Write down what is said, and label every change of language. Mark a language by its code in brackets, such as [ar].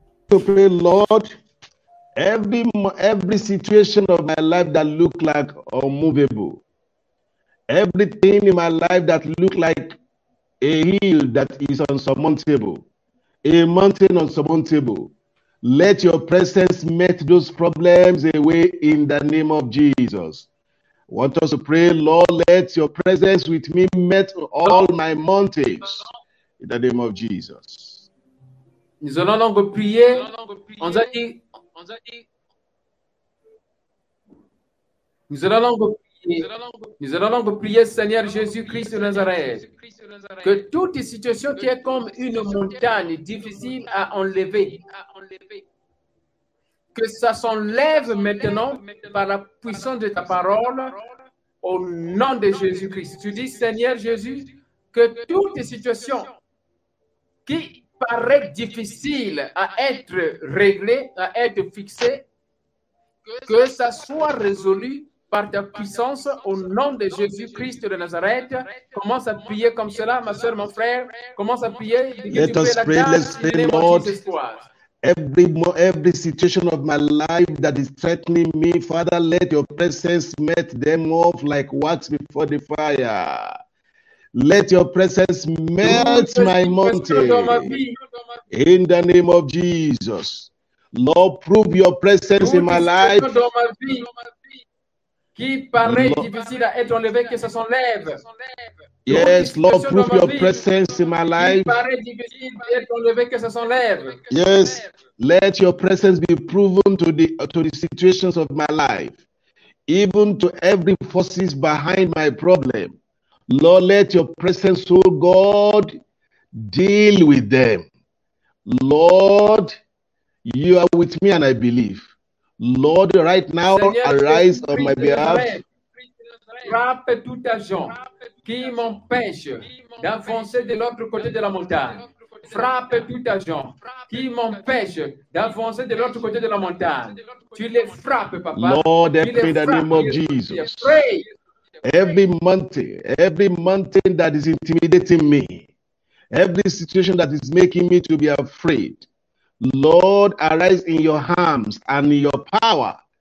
[en] To pray, Lord, every situation of my life that look like unmovable, everything in my life that look like a hill that is unsurmountable, a mountain unsurmountable. Let your presence melt those problems away in the name of Jesus. I want us to pray, Lord, let your presence with me melt all my mountains in the name of Jesus. [fr] Nous allons donc prier. On a dit. Nous allons donc prier. Nous allons donc prier, Seigneur Jésus-Christ de Nazareth, que toute situation qui est comme une montagne difficile à enlever, que ça s'enlève maintenant par la puissance de ta parole au nom de Jésus-Christ. Tu dis, Seigneur Jésus, que toute situation qui paraît difficile à être réglée, à être fixée, que ça soit résolu par ta puissance au nom de Jésus-Christ de Nazareth. Commence à prier comme cela, ma soeur, mon frère. Commence à prier. [en] Let us pray, let's pray, Lord. Every situation of my life that is threatening me, Father, let your presence melt them off like wax before the fire. Let your presence melt my mountain in the name of Jesus. Lord, prove your presence in my life. [fr] Qui paraît difficile à être enlevé, que ça s'enlève. [en] Yes, Lord, prove your presence in my life. [fr] Qui paraît difficile à être enlevé, que ça s'enlève. [en] Yes, let your presence be proven to the situations of my life, even to every forces behind my problem. Lord, let your presence, oh God, deal with them. Lord, you are with me and I believe. Lord, right now, arise on my behalf. [fr] Frappe tout agent qui m'empêche d'avancer de l'autre côté de la montagne. Frappe tout agent qui m'empêche d'avancer de l'autre côté de la montagne. Tu les frappes, papa. [en] Lord, in the name of Jesus. Every mountain that is intimidating me, every situation that is making me to be afraid, Lord, arise in your arms and in your power.